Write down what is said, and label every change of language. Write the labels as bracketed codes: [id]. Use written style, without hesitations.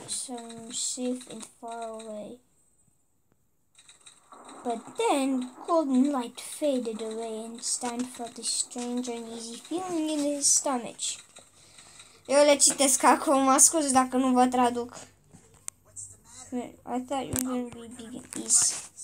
[en] So I'm safe and far away. But then, golden light faded away and Stan felt a strange uneasy feeling in his stomach. [ro] Eu le citesc acum, mă scuze dacă nu vă traduc. [en] I thought you were going to be big and easy.